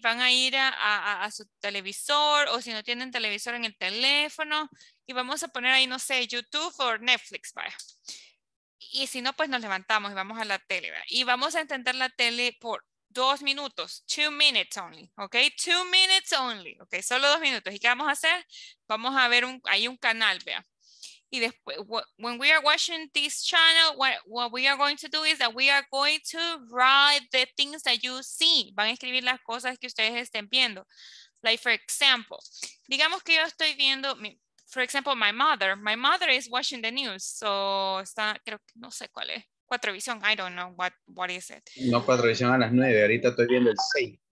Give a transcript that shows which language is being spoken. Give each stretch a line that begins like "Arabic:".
Spanish: Van a ir a su televisor o si no tienen televisor en el teléfono y vamos a poner ahí, no sé, YouTube o Netflix. Vaya. Y si no, pues nos levantamos y vamos a la tele. ¿Verdad? Y vamos a entender la tele por 2 minutos,
English: 2 minutes only, ok,
Spanish: 2 minutes only, ok, solo 2 minutos. ¿Y qué vamos a hacer? Vamos a ver, hay un canal, vea,
English: Y después, when we are watching this channel, what we are going to do is that we are going to write the things that you see.
Spanish: Van a escribir las cosas que ustedes estén viendo.
English: Like, for example,
Spanish: digamos que yo estoy viendo,
English: for example, my mother is watching the news. So,
Spanish: está, creo, no sé cuál es.
English: Cuatrovisión, I don't know what is it.
Spanish: No, Cuatrovisión a las 9, ahorita estoy viendo el 6.